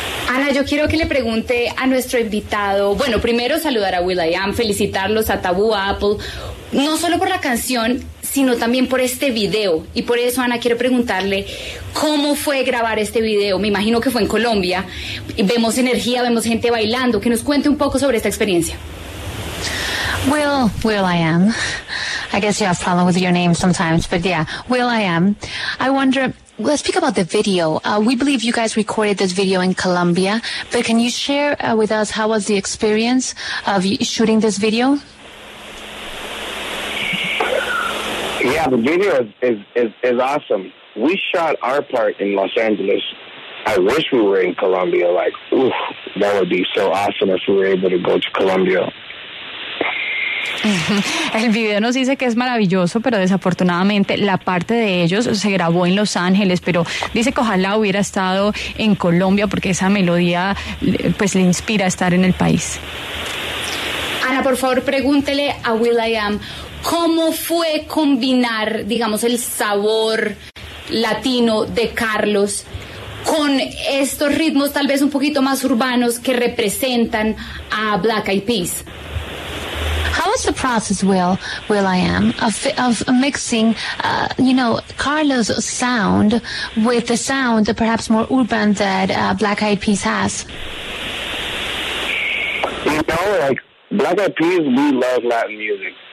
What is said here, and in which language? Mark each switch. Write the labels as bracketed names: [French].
[Spanish] Ana, yo quiero que le pregunte a nuestro invitado, bueno, primero saludar a Will.i.am, felicitarlos a Tabú, a Apple, no solo por la canción, sino también por este video, y por eso, Ana, quiero preguntarle, ¿cómo fue grabar este video? Me imagino que fue en Colombia, vemos energía, vemos gente bailando, que nos cuente un poco sobre esta experiencia. [English] Will.i.am, I guess you have a problem with your name sometimes, but yeah, Will.i.am, I wonder... Let's speak about the video. We believe you guys recorded this video in Colombia, but can you share with us how was the experience of shooting this video? Yeah, the video is awesome. We shot our part in Los Angeles. I wish we were in Colombia. Like, ooh, that would be so awesome if we were able to go to Colombia. [Spanish] El video nos dice que es maravilloso, pero desafortunadamente la parte de ellos se grabó en Los Ángeles, pero dice que ojalá hubiera estado en Colombia porque esa melodía pues le inspira a estar en el país. Ana, por favor, pregúntele a Will.i.am, ¿cómo fue combinar, digamos, el sabor latino de Carlos con estos ritmos tal vez un poquito más urbanos que representan a Black Eyed Peas? [English] How was the process, Will.i.am, of mixing, you know, Carlos' sound with the sound, perhaps more urban, that Black Eyed Peas has? You know, like, Black Eyed Peas, we love Latin music.